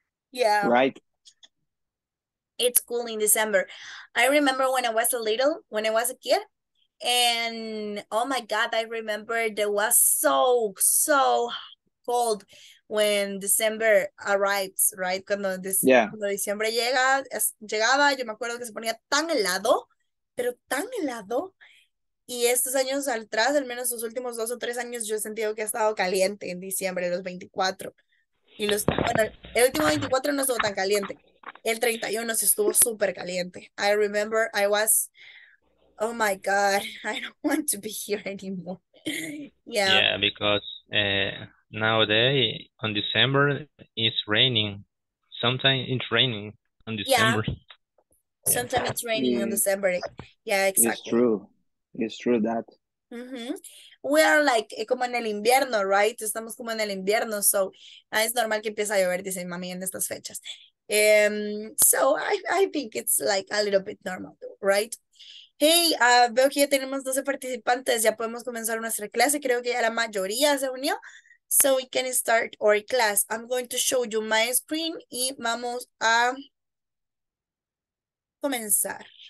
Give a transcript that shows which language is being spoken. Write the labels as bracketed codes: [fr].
[en] Yeah. Right? It's cool in December. I remember when I was a little, when I was a kid. And oh my god, I remember it was so cold when December arrives, right? [es] Cuando diciembre llegaba, yo me acuerdo que se ponía tan helado, pero tan helado. Y estos años atrás, al menos los últimos 2 o 3 años, yo he sentido que ha estado caliente en diciembre, los 24. Y los, bueno, el último 24 no estuvo tan caliente. El 31 sí estuvo súper caliente. [en] I remember I was, oh my God, I don't want to be here anymore. Yeah. Yeah, because nowadays on December it's raining. Sometimes it's raining on December. Yeah. Sometimes it's raining in December. Yeah, exactly. It's true that. Mm-hmm. We are like, [es] como en el invierno, [en] right? [es] Estamos como en el invierno, so es normal que empiece a llover, dice mami, en estas fechas. [en] So I think it's like a little bit normal, right? [es] Hey, veo que ya tenemos 12 participantes. Ya podemos comenzar nuestra clase. Creo que ya la mayoría se unió. [en] So we can start our class. I'm going to show you my screen [es] y vamos a comenzar.